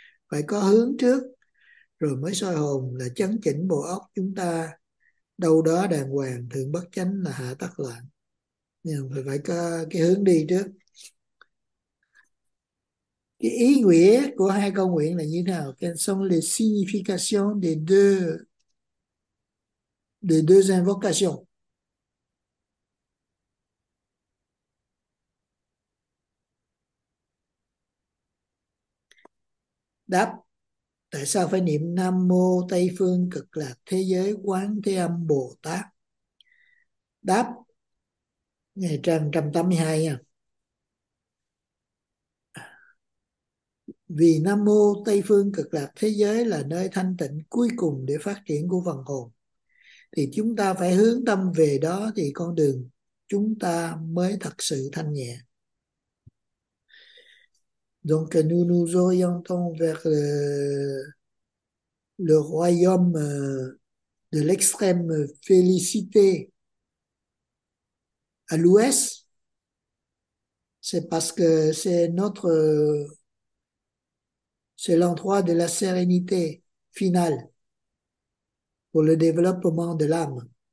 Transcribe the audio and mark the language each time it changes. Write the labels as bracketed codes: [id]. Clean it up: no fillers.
[vi] Phải có hướng trước rồi mới soi hồn là chấn chỉnh bộ óc chúng ta. Đâu đó đàng hoàng thượng bất chánh là hạ tắc loạn, nhưng phải có cái hướng đi trước. Cái ý nghĩa của hai câu nguyện là như thế nào? [fr] Quelles sont les significations des deux invocations? [vi] Đáp: tại sao phải niệm Nam Mô Tây Phương Cực Lạc Thế Giới Quán Thế Âm Bồ Tát? Đáp, ngày trang 182 vì Nam Mô Tây Phương Cực Lạc Thế Giới là nơi thanh tịnh cuối cùng để phát triển của phần hồn, thì chúng ta phải hướng tâm về đó thì con đường chúng ta mới thật sự thanh nhẹ. [fr] Donc nous nous orientons vers le royaume de l'extrême félicité à l'ouest. C'est parce que c'est l'endroit de la sérénité finale pour le développement de l'âme.